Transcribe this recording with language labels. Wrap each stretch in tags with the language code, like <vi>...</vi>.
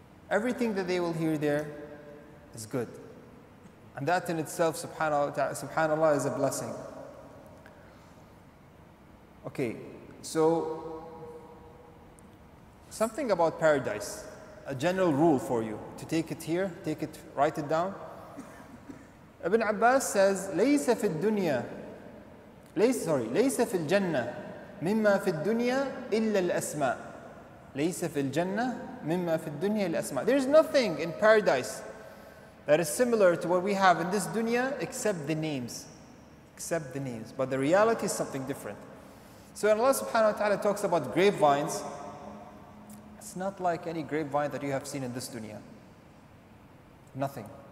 <en>Everything that they will hear there is good. And that in itself, subhanAllah, is a blessing. Okay, so something about paradise, a general rule for you, to take it here, take it, write it down. Ibn Abbas says,</en> <ar>لَيْسَ فِي الدُّنْيَا, لَيْسَ فِي الْجَنَّةِ مِمَّا فِي الدُّنْيَا إِلَّا الْأَسْمَاءِ. لَيْسَ فِي الْجَنَّةِ مِمَّا فِي الدُّنْيَا الْأَسْمَاءِ.</ar> <en>There's nothing in paradise that is similar to what we have in this dunya, except the names. Except the names. But the reality is something different. So when Allah subhanahu wa ta'ala talks about grapevines, it's not like any grapevine that you have seen in this dunya. Nothing.</en>